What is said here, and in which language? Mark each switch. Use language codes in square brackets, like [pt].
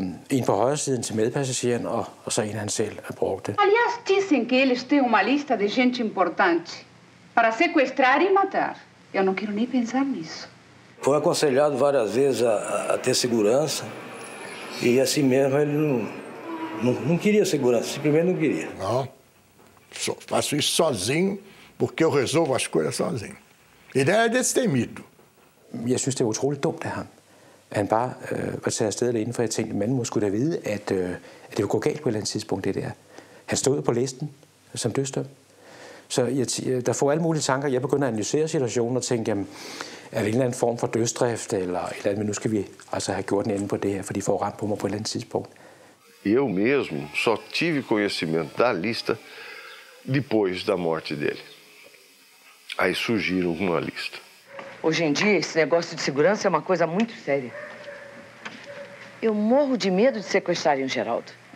[da] En på højre siden til medpassageren, og så en han selv brugte. [pt] Aliás, dizem que eles têm uma lista de gente importante para sequestrar e matar. Eu não quero nem pensar nisso. Foi aconselhado várias vezes a ter segurança. E assim mesmo ele não queria segurança, simplesmente não queria. Não, faço isso sozinho, porque eu resolvo as coisas sozinho. Ele era destemido. Eu acho que é [da] utrolig dumt af ham. Han bare var taget afsted alene, for jeg tænkte, man må skulle da vide, at det ville gå galt på et eller andet tidspunkt, det der. Han stod på listen som dødsdømt. Så der får alle mulige tanker. Jeg begynder at analysere situationen og tænke, jamen, er det en eller anden form for dødsdrift, eller et eller andet, men nu skal vi altså have gjort en ende på det her, for de får ramt på mig på et eller andet tidspunkt. [pt] Eu mesmo só tive conhecimento da lista depois da morte dele. Aí surgiram uma lista. Hoje em dia, esse negócio de segurança é uma coisa muito séria. Eu morro de medo de sequestrarem o Geraldo.